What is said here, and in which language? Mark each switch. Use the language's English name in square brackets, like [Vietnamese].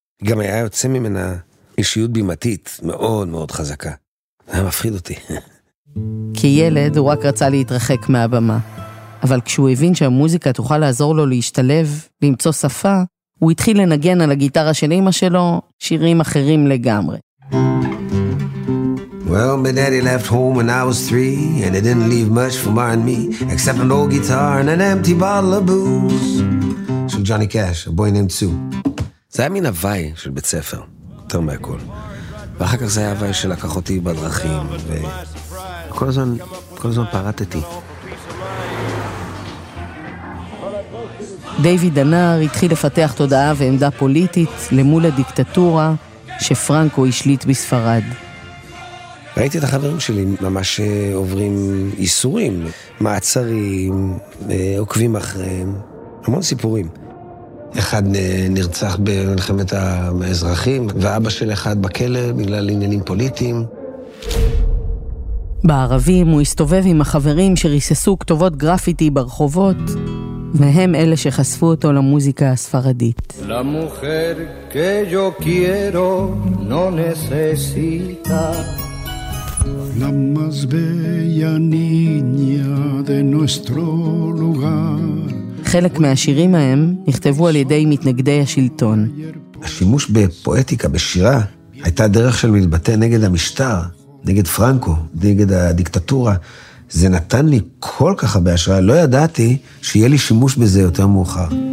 [Hebrew] גם היה יוצא ממנה אישיות בימתית מאוד מאוד חזקה. זה היה מפחיד אותי. כילד הוא רק רצה להתרחק מהבמה. אבל כשהוא הבין שהמוזיקה תוכל לעזור לו להשתלב, למצוא שפה, הוא התחיל לנגן על הגיטרה של אמא שלו שירים אחרים לגמרי. [English] Well, my daddy left home when I was 3 and he didn't leave much for mine and me except an old guitar and an empty bottle of booze. [Hebrew] של ג'וני קאש, A Boy Named Sue. זה היה מין הוואי של בית ספר, יותר מהכל. ואחר כך זה היה הוואי שלקח אותי בדרכים, וכל הזמן פרטתי. דיוויד הנער התחיל לפתח תודעה ועמדה פוליטית למול הדיקטטורה שפרנקו השליט בספרד. ראיתי את החברים שלי ממש עוברים איסורים, מעצרים, עוקבים אחריהם, המון סיפורים. אחד נרצח במלחמת האזרחים, ואבא של אחד בכלא בגלל עניינים פוליטיים. בערבים הוא הסתובב עם החברים שריססו כתובות גרפיטי ברחובות, והם אלה שחשפו אותו למוזיקה הספרדית. [Spanish] La mujer que yo quiero no necesita. La más bella niña de nuestro lugar. [Hebrew] חלק מהשירים ההם נכתבו על ידי מתנגדי השלטון. השימוש בפואטיקה בשירה הייתה דרך של מתבטא נגד המשטר, נגד פרנקו, נגד הדיקטטורה. זה נתן לי כל כך הרבה השראה, לא ידעתי שיהיה לי שימוש בזה יותר מאוחר.